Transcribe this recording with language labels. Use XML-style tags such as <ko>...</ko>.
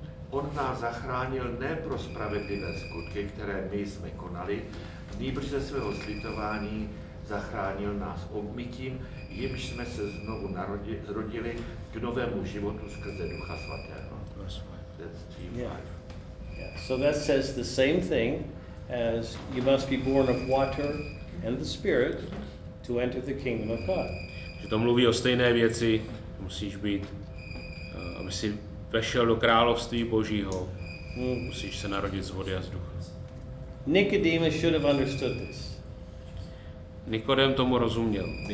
<cs>On nás zachránil ne pro spravedlivé skutky, které my jsme konali, nýbrž ze svého slitování zachránil nás obmytím, jimž jsme se znovu zrodili k novému životu skrze Ducha Svatého.</cs> <en>That's 3:5. So that says the same thing as you must be born of water and the Spirit to enter the kingdom of God.</en> <cs>Že to mluví o stejné věci, musíš být, aby si vešel do království Božího, musíš se narodit z vody a z ducha.</cs> <en>Nicodemus should have understood this.</en> <cs>Nikodem tomu rozuměl.</cs>